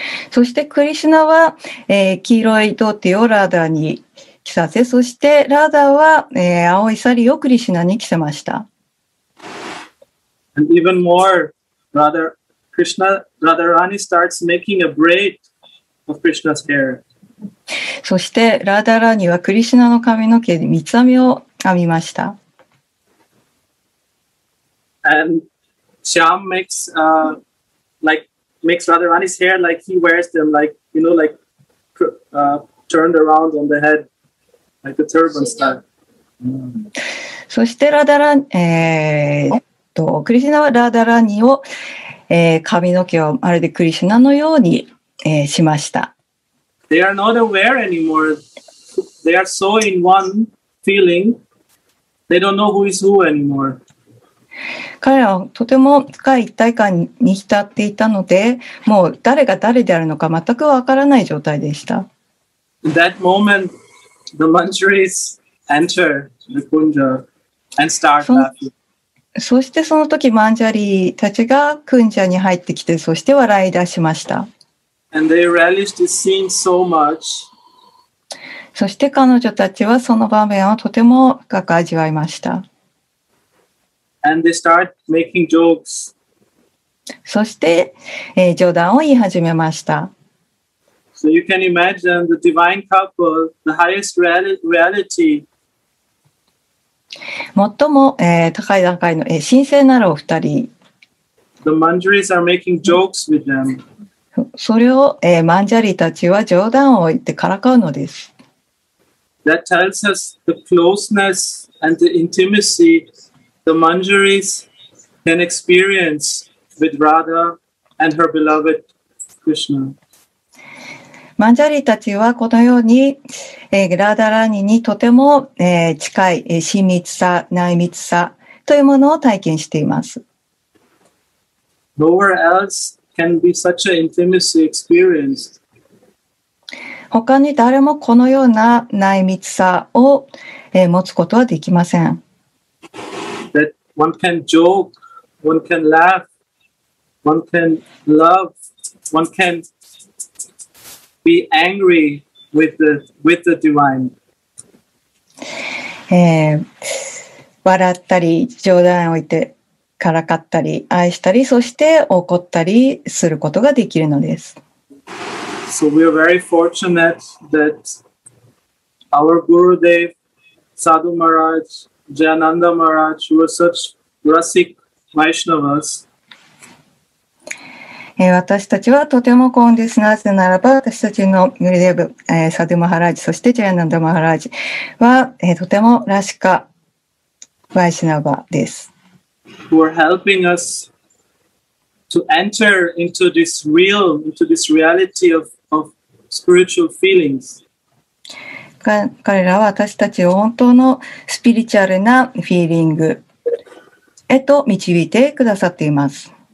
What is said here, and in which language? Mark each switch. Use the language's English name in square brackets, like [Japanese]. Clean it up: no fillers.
[Japanese] そしてクリシュナは、黄色いドーティをラーダに着させ、そしてラーダは、青いサリをクリシュナに着せました。 [English] And even more, Radharani starts making a braid of Krishna's hair. [Japanese] そしてラーダラニはクリシュナの髪の毛に三つ編みを編みました。 [English] And Shyam makes, makes Radharani's hair like he wears them, like, you know, like, turned around on the head, like a turban style. [Japanese] そしてラダラ、クリシナはラダラニを、髪の毛をまるでクリシナのように、しました。 [English] They are not aware anymore. They are so in one feeling. They don't know who is who anymore. [Japanese] 彼らはとても深い一体感に浸っていたので、もう誰が誰であるのか全くわからない状態でした。 [English] That moment, the manjaris enter the kunja and start laughing. [Japanese] そしてその時、マンジャリーたちがクンジャに入ってきて、そして笑い出しました。 [English] And they relished the scene so much. [Japanese] そして彼女たちはその場面をとても深く味わいました。 [English] And they start making jokes. [Japanese] そして、冗談を言い始めました。 [English] So you can imagine the divine couple, the highest reality. [Japanese] 最も、高い段階の、神聖なるお二人。 [English] The Manjaris are making jokes with them. [Japanese] それを、マンジャリたちは冗談を言ってからかうのです。 [English] That tells us the closeness and the intimacy the Manjaris can experience with Radha and her beloved Krishna. [Japanese] マンジャリたちはこのように、ラダラニにとても、近い、親密さ、内密さというものを体験しています。 [English] Nowhere else can be such an intimacy experienced. [Japanese] 他に誰もこのような内密さを、持つことはできません。 [English] That one can joke, one can laugh, one can love, one canBe angry with the divine. [Japanese] 笑ったり冗談を言ってからかったり愛したりそして怒ったりすることができるのです。 [English] So we are very fortunate that our Gurudev, Sadhu Maharaj, Jayananda Maharaj were such rasic Vaishnavas. [Japanese] 私たちはとても幸運です。なぜならば、私たちのグルデーブ、サドゥマハラージ、そしてジャヤナンダマハラージは、とてもラシカ・ワイシナバです。 [English] Who are helping us to enter into this real, into this reality of spiritual feelings. [Japanese] 彼らは私たちを本当のスピリチュアルなフィーリングへと導いてくださっています。